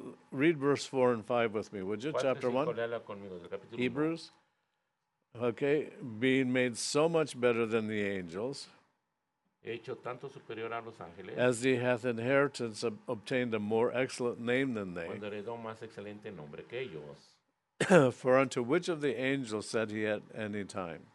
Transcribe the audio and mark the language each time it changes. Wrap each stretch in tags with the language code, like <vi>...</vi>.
<en>Read verse 4 and 5 with me, would you? Chapter 1? Hebrews? Okay. Being made so much better than the angels,</en> <es>hecho tanto superior a los ángeles,</es> <en>as he hath inheritance obtained a more excellent name than they.</en> <es>Cuando heredó más excelente nombre que ellos.</es> <en>For unto which of the angels said he at any time?</en>